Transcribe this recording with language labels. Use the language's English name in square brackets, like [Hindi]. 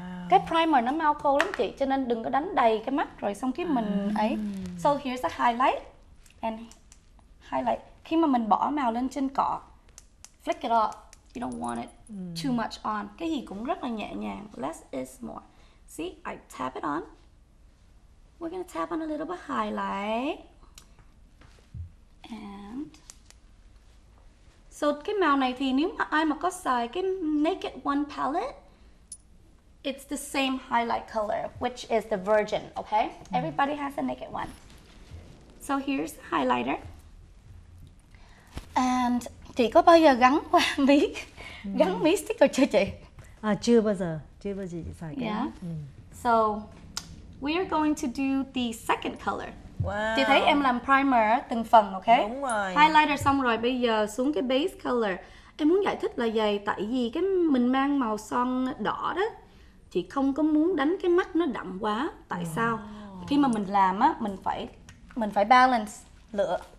[Vietnamese] Cái primer nó mau khô lắm chị, cho nên đừng có đánh đầy cái mắt rồi xong khi mình ấy. [English] So here's a highlight and highlight. [Vietnamese] Khi mà mình bỏ màu lên trên cỏ, [English] flick it off, you don't want it too much on. [Vietnamese] Cái gì cũng rất là nhẹ nhàng, [English] less is more. See, I tap it on. We're gonna tap on a little bit highlight. [Vietnamese] And so cái màu này thì nếu mà ai mà có xài cái Naked One palette, [English] it's the same highlight color, which is the virgin, okay? Everybody has a Naked One. So here's the highlighter. [Vietnamese] And chị có bao giờ gắn qua mí, gắn mí sticker chưa chị? Chưa bao giờ chị xài cái. Yeah. [English] So we are going to do the second color. Wow. [Vietnamese] Chị thấy em làm primer từng phần, okay? Đúng rồi. Highlighter xong rồi, bây giờ xuống cái base color. Em muốn giải thích là vậy, tại vì cái mình mang màu son đỏ đó, chị không có muốn đánh cái mắt nó đậm quá. Tại sao? Khi mà mình làm á, mình phải balance lựa.